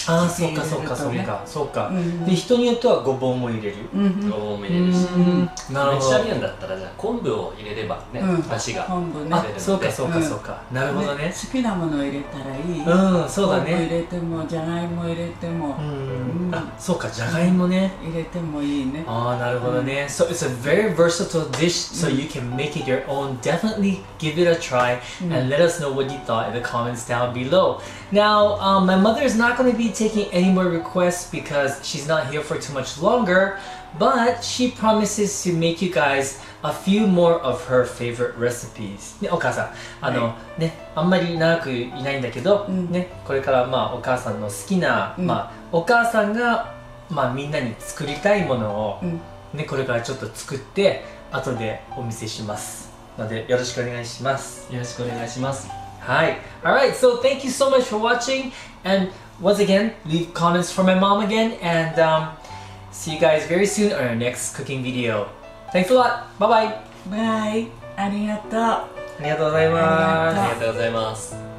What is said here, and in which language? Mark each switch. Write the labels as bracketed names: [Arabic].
[Japanese] あー、そうかそうかそうか、そうか、うん、で人によってはごぼうも入れる、うん、ごぼうも入れるし、うん、なるほど。ベジタリアンだったらじゃあ昆布を入れればね、うん、出汁が出るので。あ、そうかそうかそうか、うん、なるほどね。好きなものを入れたらいい。うん、そうだね。昆布入れてもじゃがいも入れても、うん、あ、そうか、じゃがいもね、うん、入れてもいいね。あー、なるほどね、うん、 [English] So it's a very versatile dish, so you can make it your own. Definitely give it a try, and let us know what you thought in the comments down below. Now, my mother is not going to be taking any more requests because she's not here for too much longer, but she promises to make you guys a few more of her favorite recipes. [Japanese] ね、お母さん、あの、はい、ね、あんまり長くいないんだけど、うん、ね、これから、まあ、お母さんの好きな、うん、まあ、お母さんが、まあ、みんなに作りたいものを、ね、うん、これからちょっと作って後でお見せします。なのでよろしくお願いします。よろしくお願いします。 [English] はい、 Alright, so thank you so much for watching, and once again leave comments for my mom again, and see you guys very soon on our next cooking video. Thanks a lot, bye bye. [Japanese] Bye, ありがとう、ありがとうございます、ありがとうございます。